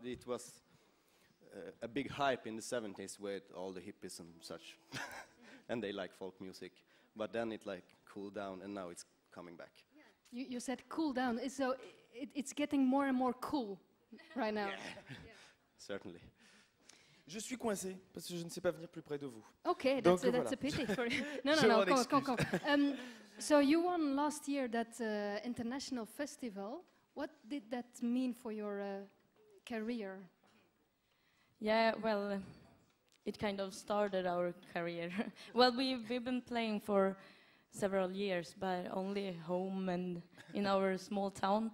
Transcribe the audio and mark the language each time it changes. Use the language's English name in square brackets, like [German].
[English] It was a big hype in the 70s with all the hippies and such. And they like folk music. But then it like cooled down, and now it's coming back. Yeah. You said cool down, so it's getting more and more cool right now. Yeah. Certainly. [French] Je suis coincé parce que je ne sais pas venir plus près de vous. [English] Okay, donc that's voilà. A pity for you. No. Come. So you won last year that international festival. What did that mean for your career? Yeah, well, it kind of started our career. Well, we've been playing for several years, but only home and in our small town.